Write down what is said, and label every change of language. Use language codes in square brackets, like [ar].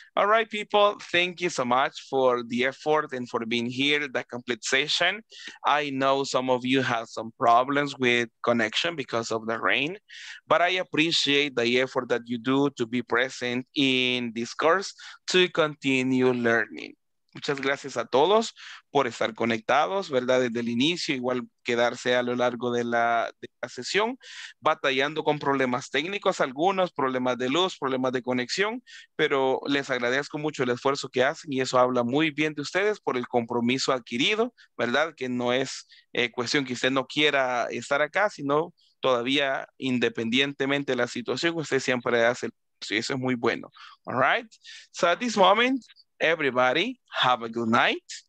[en] All right, people, thank you so much for the effort and for being here, the complete session. I know some of you have some problems with connection because of the rain, but I appreciate the effort that you do to be present in this course to continue learning. [es] Muchas gracias a todos por estar conectados, ¿verdad? Desde el inicio, igual quedarse a lo largo de la sesión, batallando con problemas técnicos, algunos problemas de luz, problemas de conexión, pero les agradezco mucho el esfuerzo que hacen y eso habla muy bien de ustedes por el compromiso adquirido, ¿verdad? Que no es cuestión que usted no quiera estar acá, sino todavía independientemente de la situación, usted siempre hace el esfuerzo y eso es muy bueno. [en] All right? So at this moment, everybody, have a good night.